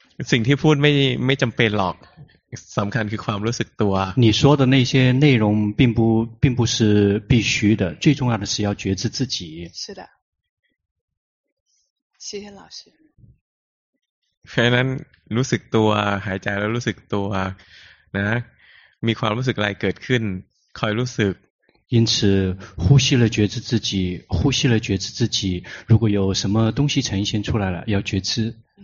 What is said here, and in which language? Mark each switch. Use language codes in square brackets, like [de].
[th] สิ่งที่พูดไม่จำเป็นหรอกสำคัญคือความรู้สึกตัว [zh] 你说的那些内容并不是必须的最重要的是要觉知自己是的谢谢老师 [th] เพราะนั้นรู้สึกตัวหายใจแล้วรู้สึกตัวนะมีความรู้สึกอะไรเกิดขึ้นคอยรู้สึก [zh] 因此呼吸了觉知自己如果有什么东西呈现出来了要觉知